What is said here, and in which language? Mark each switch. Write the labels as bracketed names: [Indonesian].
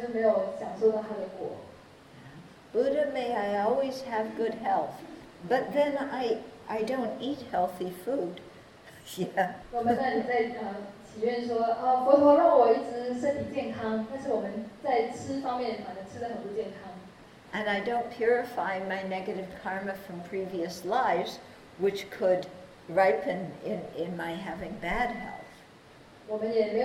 [Chinese] 家人安乐，让我有钱，让我富有，让我快乐。但是我们反而在行为上没有制造那种因，当然就是没有享受到他的果。 [English] Buddha, may I always have good health, but then I don't eat healthy food. Yeah. [Chinese] 我们在祈愿说，佛陀让我一直身体健康，但是我们在吃方面反而吃得很不健康。 [English] And I don't purify my negative karma from previous lives, which could ripen in my having bad health.